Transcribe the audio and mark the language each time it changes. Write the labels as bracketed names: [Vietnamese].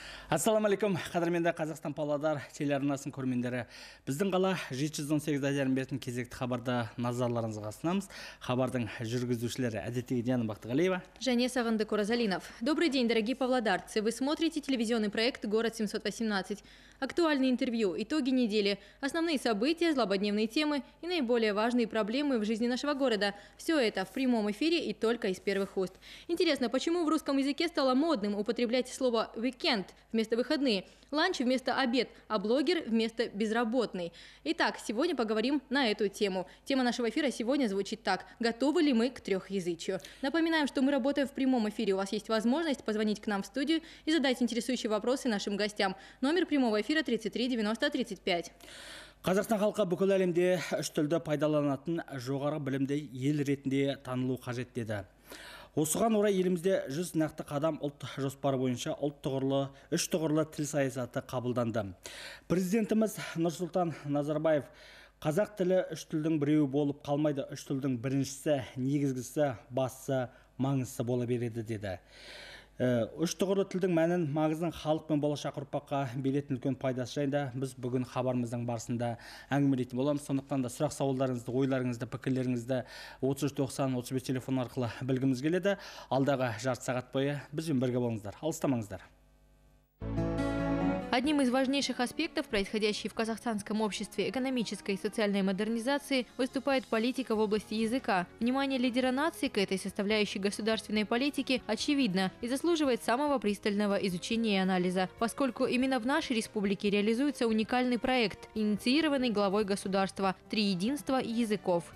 [Kazakh] Ассаламу алейкум, қадірменді Қазақстан Павлодар телеарнасының көрермендері. Біздің қала 718 дәрін бетін кезекті хабарда назарларыңызға ұсынамыз. Хабардың жүргізушілері әдеттегі Диана Бақтығалиева. Және Сағынды Куразалинов. [Russian] Добрый день, дорогие павлодарцы. Вы смотрите телевизионный проект «Город 718». Актуальные интервью, итоги недели, основные события, злободневные темы и наиболее важные проблемы в жизни нашего города. Все это в прямом эфире и только из первых уст. Интересно, почему в русском языке стало модным употреблять слово «weekend» вместо «выходные», «ланч» вместо «обед», а «блогер» вместо «безработный». Итак, сегодня поговорим на эту тему. Тема нашего эфира сегодня звучит так. Готовы ли мы к трехязычию? Напоминаем, что мы работаем в прямом эфире. У вас есть возможность позвонить к нам в студию и задать интересующие вопросы нашим гостям. Номер прямого эфира 33-90-35. [Kazakh] Қазақстан халқы бүкіл әлемде үш тілді пайдаланатын жоғары білімді ел ретінде танылу қажет деді. Осыған орай елімізде 100 нақты қадам ұлт жоспары бойынша ұлт тұғырлы, үш тұғырлы тіл саясаты қабылданды. Президентіміз Нұрсұлтан Назарбаев қазақ тілі үш тілдің біреуі болып қалмайды, үш тілдің біріншісі, негізгісі, басы, маңызы бола береді деді. Үш тұғырлы тілдің мәнін мағызын халық пен болашақ ұрпаққа беретін үлкен пайдасы жайында біз бүгін хабарымыздың барысында әңгімелейтін боламыз. Сондықтан да сұрақ сауалдарыңызды, ойларыңызды, пікірлеріңізді 3390-35 телефон арқылы білгіміз келеді. Алдағы жарты сағат бойы бізбен бірге болыңыздар. Алыстамаңыздар. [Russian] Одним из важнейших аспектов, происходящей в казахстанском обществе экономической и социальной модернизации, выступает политика в области языка. Внимание лидера нации к этой составляющей государственной политики очевидно и заслуживает самого пристального изучения и анализа, поскольку именно в нашей республике реализуется уникальный проект, инициированный главой государства «Три единства языков».